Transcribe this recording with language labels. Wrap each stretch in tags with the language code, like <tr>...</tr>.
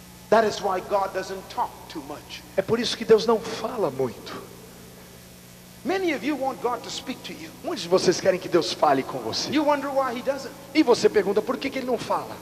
<en>That is why God doesn't talk too much.</en> <pt>É por isso que Deus não fala muito.</pt> <en>Many of you want God to speak to you.</en> <pt>Muitos de vocês querem que Deus fale com você.</pt> <en>You wonder why he doesn't.</en> <pt>E você pergunta por que que ele não fala?</pt>